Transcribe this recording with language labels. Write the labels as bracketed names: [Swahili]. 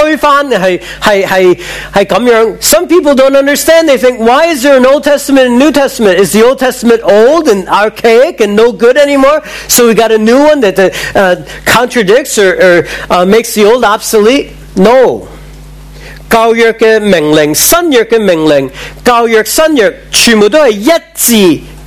[Cantonese] 有啲人误解咗，以为点解有旧约，系咪因为旧约系落后啊，冇用嘅，所以有个新约系推翻嘅，系咁样。 [English] Some people don't understand. They think, why is there an Old Testament and New Testament? Is the Old Testament old and archaic and no good anymore? So we got a new one that contradicts or makes the old obsolete? No. [Cantonese] 旧约嘅命令、新约嘅命令、旧约、新约，全部都系一致。